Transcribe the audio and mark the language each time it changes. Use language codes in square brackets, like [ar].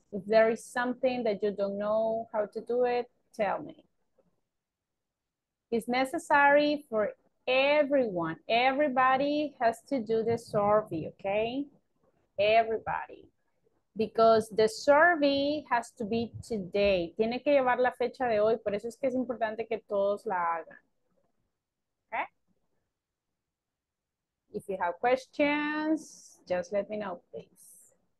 [en] If there is something that you don't know how to do it, tell me. It's necessary for everyone. Everybody has to do the survey, okay? Everybody, because the survey has to be today. [es] Tiene que llevar la fecha de hoy, por eso es que es importante que todos la hagan. [en] Okay? If you have questions, just let me know, please.